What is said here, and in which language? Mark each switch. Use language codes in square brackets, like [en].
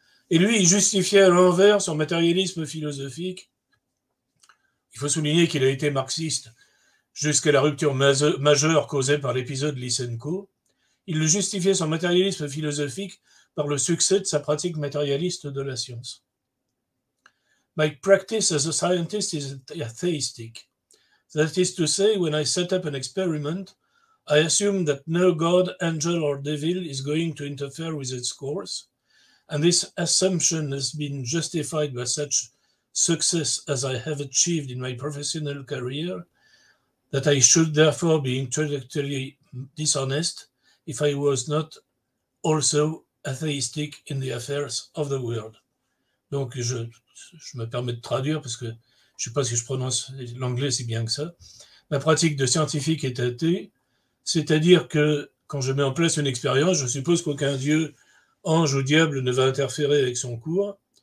[fr] Et lui, il justifiait à l'envers son matérialisme philosophique. Il faut souligner qu'il a été marxiste jusqu'à la rupture majeure causée par l'épisode Lysenko. Il le justifiait son matérialisme philosophique par le succès de sa pratique matérialiste de la science. [en] My practice as a scientist is atheistic. That is to say, when I set up an experiment, I assume that no god, angel or devil is going to interfere with its course, and this assumption has been justified by such success as I have achieved in my professional career, that I should therefore be intellectually dishonest if I was not also atheistic in the affairs of the world. [fr] Donc, je me permets de traduire parce que je ne sais pas si je prononce l'anglais si bien que ça. Ma pratique de scientifique est athée, c'est-à-dire que quand je mets en place une expérience, je suppose qu'aucun dieu, ange ou diable ne va interférer avec son cours.